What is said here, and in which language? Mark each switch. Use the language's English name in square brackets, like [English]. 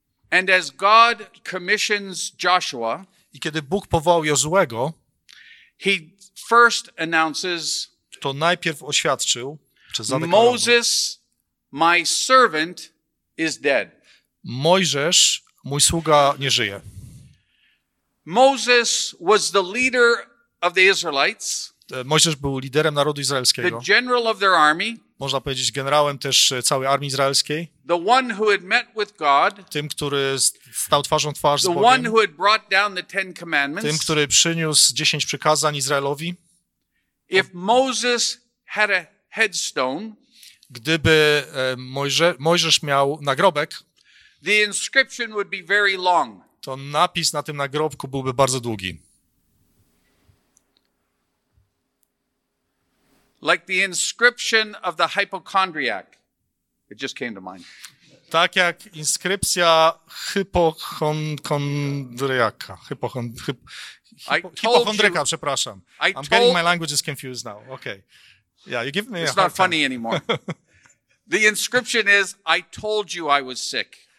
[English] And as God commissions Joshua, [Polish] i kiedy Bóg powołał Jozuego, [English] he first announces, [Polish] to najpierw oświadczył, czy zadeklarował, [English] Moses, my servant, is dead. [Polish] Mojżesz, mój sługa, nie żyje. [English] Moses was the leader of the Israelites. [Polish] Mojżesz był liderem narodu izraelskiego. [English] The general of their army. [Polish] Można powiedzieć generałem też całej armii izraelskiej. [English] The one who had met with God. [Polish] Tym, który stał twarzą twarz z Bogiem. [English] The one who had brought down the Ten Commandments. [Polish] Tym, który przyniósł 10 przykazań Izraelowi. [English] If Moses had a headstone, [Polish] gdyby Mojżesz miał nagrobek, [English] the inscription would be very long. [Polish] To napis na tym nagrobku byłby bardzo długi. [English] Like the inscription of the hypochondriac. It just came to mind. [Polish] Tak jak inskrypcja hypochondriaka. Hypochondryka, przepraszam. [English] I'm getting my languages confused now. Okay. Yeah, you give me it's a hard funny time. Anymore. The inscription is, I told you I was sick.